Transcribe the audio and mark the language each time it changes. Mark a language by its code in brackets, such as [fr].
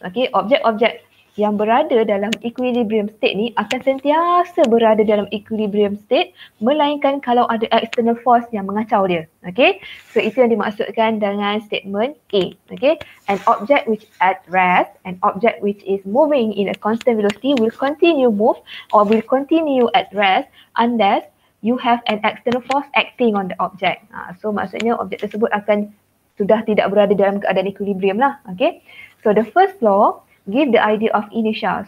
[ms] Okay, objek-objek yang berada dalam equilibrium state ni akan sentiasa berada dalam equilibrium state melainkan kalau ada external force yang mengacau dia. Okay, so itu yang dimaksudkan dengan statement A. [en] Okay, an object which at rest, an object which is moving in a constant velocity will continue move or will continue at rest unless you have an external force acting on the object. [ms] So maksudnya objek tersebut akan sudah tidak berada dalam keadaan equilibrium lah. [en] Okay, so the first law give the idea of inertia.